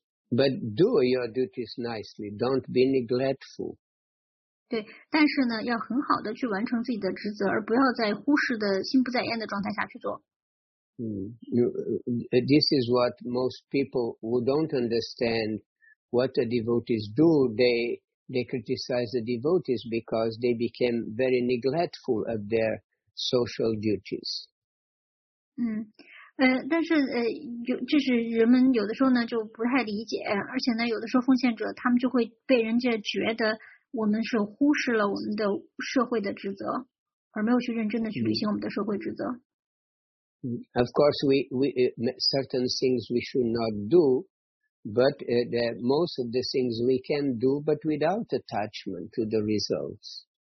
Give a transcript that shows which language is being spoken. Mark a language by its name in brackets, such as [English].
[English] But do your duties nicely, don't be neglectful. [Chinese] 对，但是呢，要很好的去完成自己的职责，而不要在忽视的心不在焉的状态下去做。 [English] This is what most people who don't understand what the devotees do, they criticize the devotees because they became very neglectful of their social duties. [Chinese] 但是就是人们有的时候呢就不太理解，而且呢有的时候奉献者他们就会被人家觉得我们是忽视了我们的社会的职责，而没有去认真的去履行我们的社会职责。 [English] Of course, certain things we should not do, but most of the things we can do, but without attachment to the results.